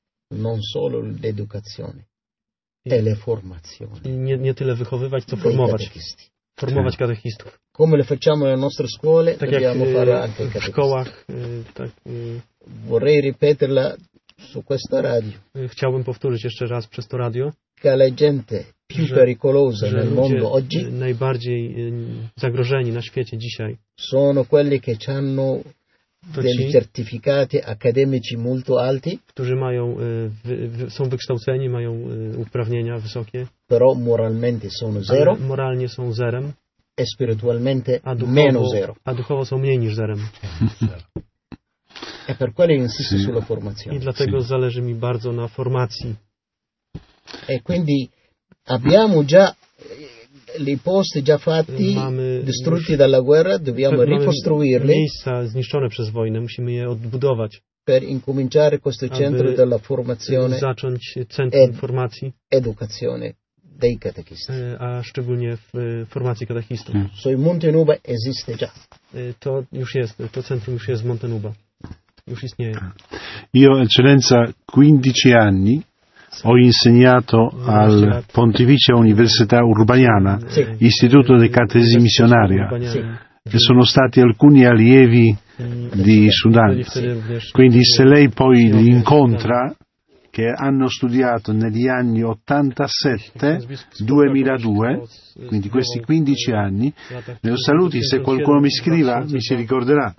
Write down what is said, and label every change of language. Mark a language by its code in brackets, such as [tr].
[it] Non solo l'educazione e le formazioni. [pl] Nie tyle wychowywać, co formować. Formować katechistów. [it] Come le facciamo nelle nostre scuole, [pl] tak [it] dobbiamo fare anche i katechisti. [pl] W szkołach tak. [it] Vorrei ripeterla su questa radio. [pl] Chciałbym powtórzyć jeszcze raz przez to radio. [it] Che la gente più pericolosa nel mondo oggi. [pl] Najbardziej zagrożeni na świecie dzisiaj. [it] Sono quelli che c'hanno degli certificati accademici molto alti, [pl] którzy mają, są wykształceni, mają uprawnienia wysokie, [it] però moralmente sono zero, [pl] moralnie są zerem, [it] e spiritualmente meno zero, [pl] a duchowo są mniej niż zerem. [it] E per quello insisto sulla formazione. [pl] I dlatego zależy mi bardzo na formacji. [it] E quindi abbiamo già i posti già fatti, distrutti dalla guerra, dobbiamo ricostruirli. [pl] Miejsca zniszczone przez wojnę, musimy je odbudować. [it] Per incominciare questo centro della formazione. [pl] Zacząć centrum formacji. [it] Educazione dei catechisti. [pl] A szczególnie w formacji katechistów. [it] So in Montenuba esiste già. [pl] To już jest, to centrum już jest w Montenuba. Już istnieje. [it] Io eccellenza 15 anni. Ho insegnato al Pontificia Università Urbaniana, sì. Istituto di Catechesi Missionaria, sì. E sono stati alcuni allievi di Sudan. Quindi se lei poi li incontra, che hanno studiato negli anni 87-2002, quindi questi 15 anni, ne lo saluti, se qualcuno mi scriva mi si ricorderà.